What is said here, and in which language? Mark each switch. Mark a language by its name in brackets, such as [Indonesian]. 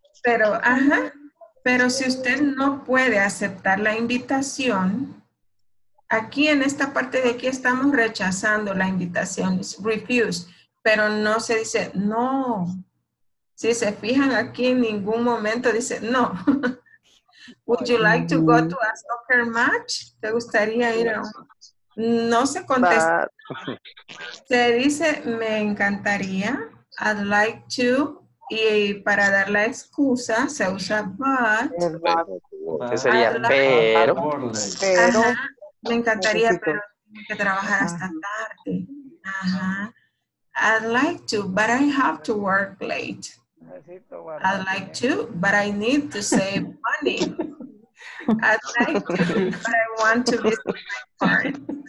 [Spanish] Pero, ajá. Pero si usted no puede aceptar la invitación, aquí en esta parte de aquí estamos rechazando la invitación, [English] it's refuse. [Spanish] Pero no se dice no. Si se fijan aquí en ningún momento dice no. [English] Would you like to go to a soccer match? [Spanish] ¿Te gustaría ir a un... No se contesta. Se dice, me encantaría, [English] I'd like to, [Spanish] y para dar la excusa se usa but. ¿Qué sería? Pero. Ajá. Me encantaría, pero tengo que trabajar hasta tarde. Ajá. [English] I'd like to, but I have to work late. I'd like to, but I need to save money. I'd like to, but I want to visit my parents.